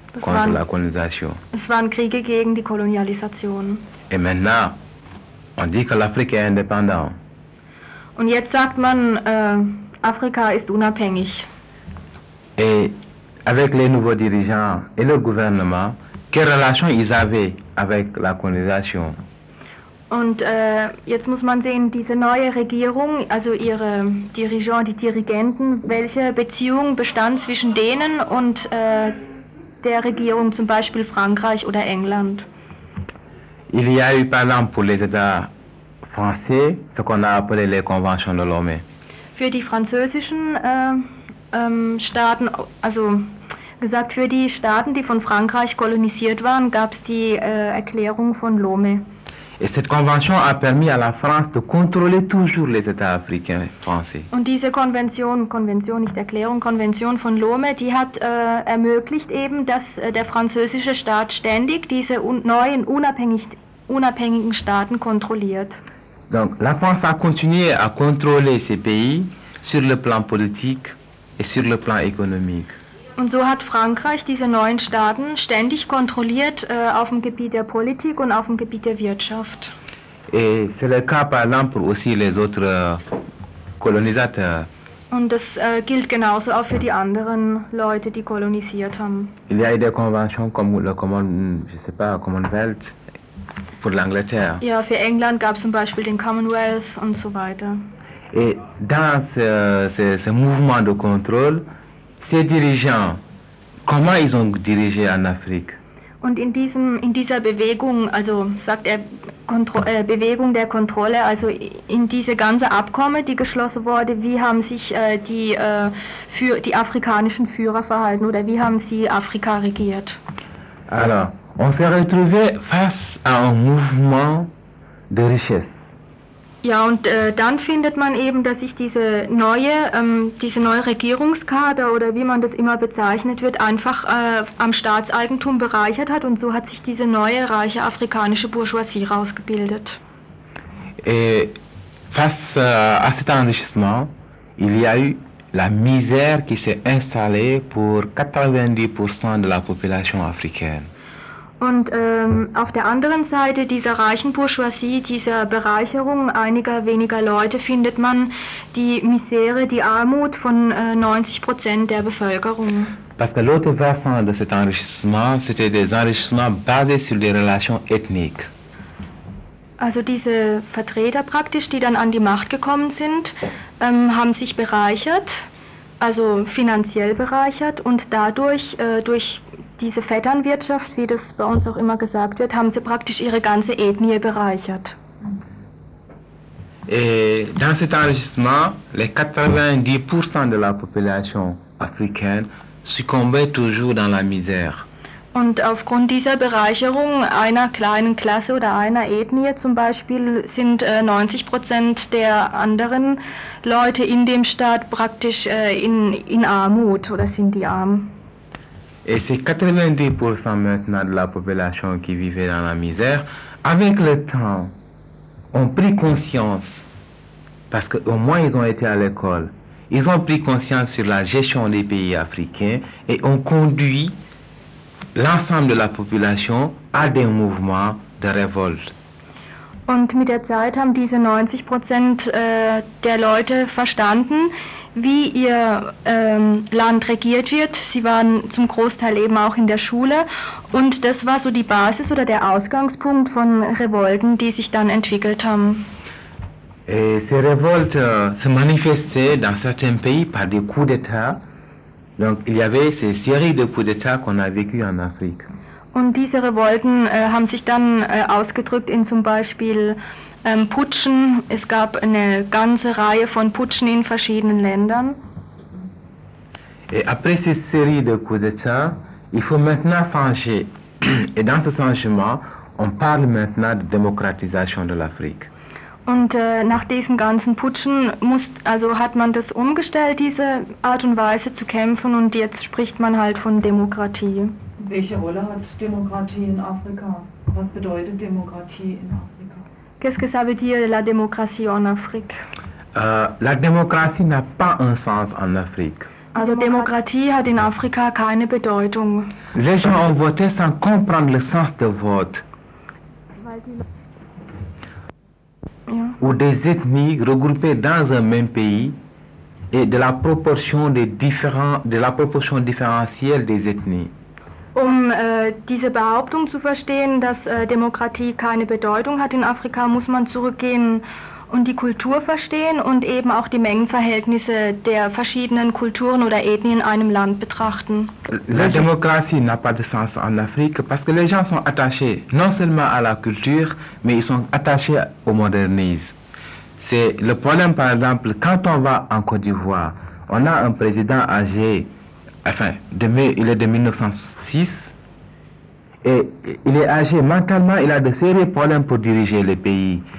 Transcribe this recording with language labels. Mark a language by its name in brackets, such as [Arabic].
[German] Es waren Kriege gegen die Kolonialisation. [French] Et maintenant, on dit que l'Afrique est indépendante. [German] Und jetzt sagt man, Afrika ist unabhängig. [French] Et avec les nouveaux dirigeants et le gouvernement, quelle relation ils avaient avec la colonisation? [German] Und jetzt muss man sehen, diese neue Regierung, also ihre Dirigeants, die Dirigenten, welche Beziehung bestand zwischen denen und der Regierung, zum Beispiel Frankreich oder England. [French] Il y a eu par exemple pour les États français ce qu'on a appelé les conventions de Lomé. [German] Für die französischen Staaten, also gesagt für die Staaten, die von Frankreich kolonisiert waren, gab es die Erklärung von Lomé. [French] Et cette convention a permis à la France de contrôler toujours les États africains français. [German] Und diese Konvention, nicht Erklärung, Konvention von Lomé, die hat ermöglicht eben, dass der französische Staat ständig diese neuen unabhängigen Staaten kontrolliert. [French] Donc la France a continué à contrôler ces pays sur le plan politique et sur le plan économique. [German] Und so hat Frankreich diese neuen Staaten ständig kontrolliert auf dem Gebiet der Politik und auf dem Gebiet der Wirtschaft. [French] Et c'est le cas par exemple aussi les autres colonisateurs. [German] Und das gilt genauso auch für die anderen Leute, die kolonisiert haben. [French] Il y a des conventions comme le Commonwealth pour l'Angleterre. [German] Ja, für England gab es zum Beispiel den Commonwealth und so weiter. [French] Et dans ce mouvement de contrôle, ces dirigeants, comment ils ont dirigé en Afrique? [German] Und in dieser Bewegung, also sagt er Bewegung der Kontrolle, also in diese ganze Abkommen, die geschlossen wurde, wie haben sich die afrikanischen Führer verhalten oder wie haben sie Afrika regiert? [French] Alors, on s'est retrouvé face à un mouvement de richesse. [German] Ja, und dann findet man eben, dass sich diese neue Regierungskader oder wie man das immer bezeichnet wird, einfach am Staatseigentum bereichert hat und so hat sich diese neue reiche afrikanische Bourgeoisie rausgebildet. [French] Et face à cet enrichissement, il y a eu la misère qui s'est installée pour 90% de la population africaine. [German] Und auf der anderen Seite dieser reichen Bourgeoisie, dieser Bereicherung einiger weniger Leute, findet man die Misere, die Armut von 90% der Bevölkerung. [French] Parce que l'autre versant de cet enrichissement, c'était des enrichissements basés sur des relations ethniques. [German] Also diese Vertreter praktisch, die dann an die Macht gekommen sind, haben sich bereichert, also finanziell bereichert und dadurch durch diese Vetternwirtschaft, wie das bei uns auch immer gesagt wird, haben sie praktisch ihre ganze Ethnie bereichert. [French] Et dans cet enrichissement, les 90% de la population africaine succombait toujours dans la misère. [German] Und aufgrund dieser Bereicherung einer kleinen Klasse oder einer Ethnie zum Beispiel sind 90% der anderen Leute in dem Staat praktisch in Armut oder sind die arm. [French] Et ces 90% maintenant de la population qui vivait dans la misère, avec le temps, ont pris conscience, parce qu'au moins ils ont été à l'école, ils ont pris conscience sur la gestion des pays africains et ont conduit l'ensemble de la population à des mouvements de révolte. [German] Und mit der Zeit haben diese 90% der Leute verstanden, wie ihr Land regiert wird. Sie waren zum Großteil eben auch in der Schule. Und das war so die Basis oder der Ausgangspunkt von Revolten, die sich dann entwickelt haben. [French] Ces révoltes se manifestaient dans certains pays par des coups d'État. Donc il y avait ces séries de coups d'État qu'on a vécu en Afrique. [German] Und diese Revolten haben sich dann ausgedrückt in zum Beispiel Putschen. Es gab eine ganze Reihe von Putschen in verschiedenen Ländern. [French] Et après ces séries de coups d'État, il faut maintenant changer. Et dans ce changement, on parle maintenant de démocratisation de l'Afrique. [German] Und nach diesen ganzen Putschen hat man das umgestellt, diese Art und Weise zu kämpfen, und jetzt spricht man halt von Demokratie. Welche Rolle hat Demokratie in Afrika? Was bedeutet Demokratie in Afrika? [French] Qu'est-ce que ça veut dire la démocratie en Afrique? La démocratie n'a pas un sens en Afrique. [German] Also Demokratie hat in Afrika keine Bedeutung. [French] Les gens ont voté sans comprendre le sens de vote. Ou des ethnies regroupées dans un même pays et de la proportion des différents de la proportion différentielle des ethnies. [German] Diese Behauptung zu verstehen, dass Demokratie keine Bedeutung hat in Afrika, muss man zurückgehen und die Kultur verstehen und eben auch die Mengenverhältnisse der verschiedenen Kulturen oder Ethnien in einem Land betrachten. [French] La démocratie n'a pas de sens en Afrique parce que les gens sont attachés non seulement à la culture, mais ils sont attachés au modernisme. C'est le problème, par exemple, quand on va en Côte d'Ivoire, on a un président âgé, enfin, il est de 1906, et il est âgé mentalement, il a de sérieux problèmes pour diriger le pays.